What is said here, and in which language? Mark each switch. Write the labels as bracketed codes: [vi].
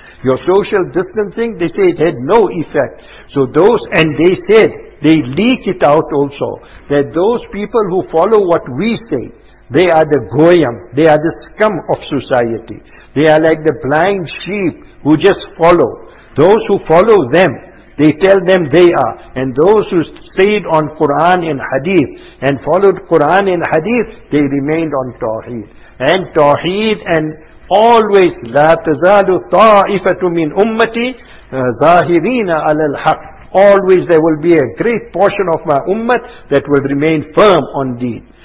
[en] Your social distancing, they say it had no effect. So those, and they said, they leak it out also, that those people who follow what we say, they are the goyim, they are the scum of society. They are like the blind sheep who just follow. Those who follow them, they tell them they are. And those who stayed on Quran and Hadith, and followed Quran and Hadith, they remained on Tawheed. And Tawheed, and always, [ar] لَا تَزَالُ طَائِفَةٌ مِّنْ أُمَّتِي ظَاهِرِينَ عَلَى الْحَقِّ. [en] Always there will be a great portion of my ummah that will remain firm on deen.